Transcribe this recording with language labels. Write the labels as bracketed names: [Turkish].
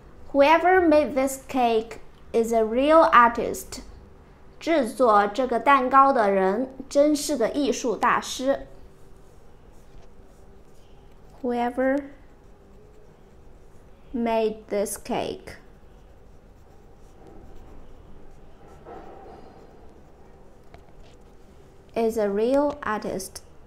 [English] Whoever made this cake is a real artist. [Chinese] 制作这个蛋糕的人真是个艺术大师。 [English] Whoever made this cake is a real artist.